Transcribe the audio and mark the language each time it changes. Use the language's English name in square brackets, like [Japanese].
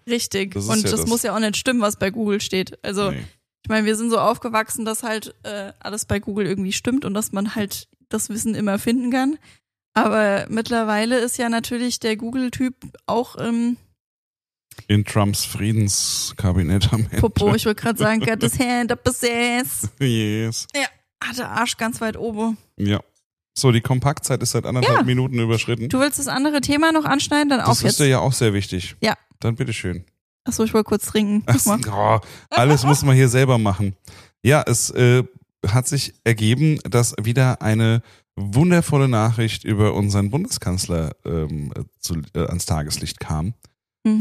[German] Richtig. Und das muss ja auch nicht stimmen, was bei Google steht. Also. Nee. Ich meine, wir sind so aufgewachsen, dass halt alles bei Google irgendwie stimmt und dass man halt das Wissen immer finden kann. Aber mittlerweile ist ja natürlich der Google-Typ auch in Trumps Friedenskabinett am Ende. Popo, ich wollte gerade sagen, [English] got his hand up his ass. Yes. [German] Ja, hat der Arsch ganz weit oben. Ja. So, die Kompaktzeit ist seit anderthalb Minuten überschritten. Du willst das andere Thema noch anschneiden? Dann auch das jetzt. Das ist ja auch sehr wichtig. Ja. Dann bitteschön. Achso, ich wollte kurz trinken. Alles muss man hier selber machen. Ja, es hat sich ergeben, dass wieder eine wundervolle Nachricht über unseren Bundeskanzler ans Tageslicht kam. Mhm.